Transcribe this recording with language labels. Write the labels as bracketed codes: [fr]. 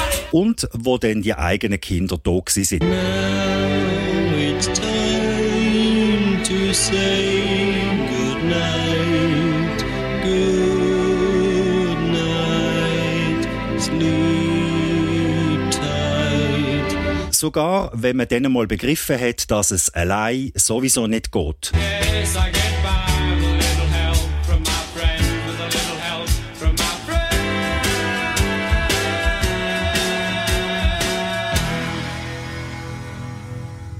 [de] Und wo dann die eigenen Kinder da gewesen sind. [en] Now it's time to say good night. Good night. Sleep. [de] Sogar wenn man dann mal begriffen hat, dass es allein sowieso nicht geht. [en] Yes, I get by with a little help from my friend, with a little help from my friend.